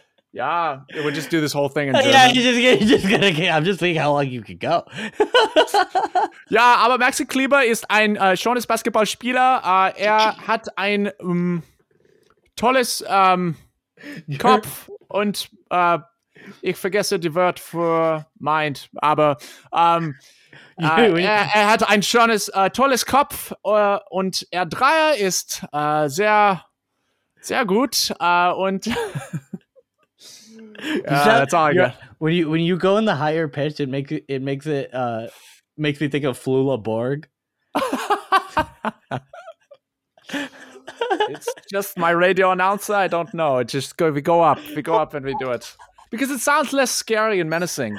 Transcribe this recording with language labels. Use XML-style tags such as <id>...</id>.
<en>Yeah, we'll just do this whole thing in German. Yeah, you're just gonna get, I'm just thinking how long you could go. Yeah,</en> <de>aber Maxi Kleber ist ein schönes Basketballspieler. Hat ein tolles Kopf und ich vergesse die Wort für Mind, aber er hat ein schönes, tolles Kopf und er Dreier ist sehr, sehr gut. Und</de> <en>that's all I got. When you go in the higher pitch, it makes me think of Flula Borg. It's just my radio announcer. I don't know. It just go. We go up and we do it because it sounds less scary and menacing.</en>